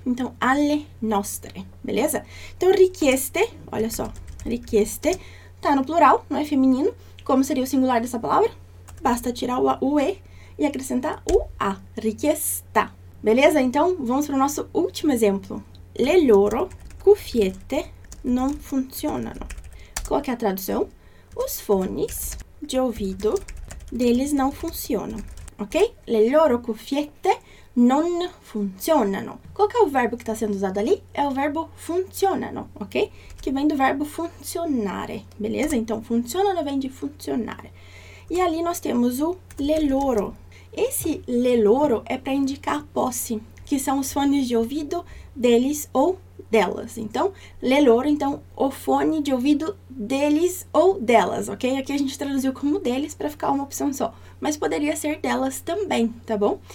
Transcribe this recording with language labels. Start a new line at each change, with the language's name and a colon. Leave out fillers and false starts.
Portuguese: Então, alle nostre, beleza? Então, richieste, olha só, richieste, tá no plural, não é feminino. Como seria o singular dessa palavra? Basta tirar o e e acrescentar o a, richiesta, beleza? Então, vamos para o nosso último exemplo.
Italian: Le loro cuffiette non funzionano.
Portuguese: Qual que é a tradução? Os fones de ouvido deles não funcionam, ok?
Italian: Le loro cuffiette non funzionano.
Portuguese: Qual que é o verbo que está sendo usado ali? É o verbo funzionano, ok? Que vem do verbo funzionare, beleza? Então, funzionano vem de funzionare. E ali nós temos o le loro. Esse le loro é para indicar posse, que são os fones de ouvido deles ou delas. Então, le loro, então, o fone de ouvido deles ou delas, ok? Aqui a gente traduziu como deles para ficar uma opção só, mas poderia ser delas também, tá bom?